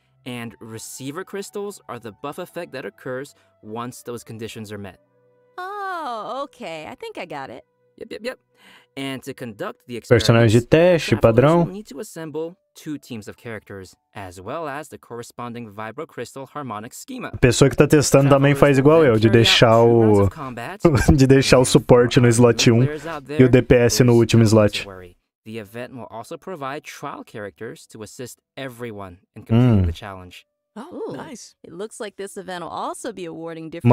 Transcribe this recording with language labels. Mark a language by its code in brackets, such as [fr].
[en] And receiver crystals are the buff effect that occurs once those conditions are met. Oh, okay. I think I got it. Yep. And to conduct the experiment, [pt] de teste, padrão. [en] We'll need to assemble two teams of characters, as well as the corresponding vibrocrystal harmonic schema. [pt] A pessoa que tá testando também faz igual eu, de deixar o de deixar o suporte no slot 1 e o DPS no último slot. [en] The event will also provide trial characters to assist everyone in completing the challenge. Oh, ooh. Nice. It looks like this event will also be awarding different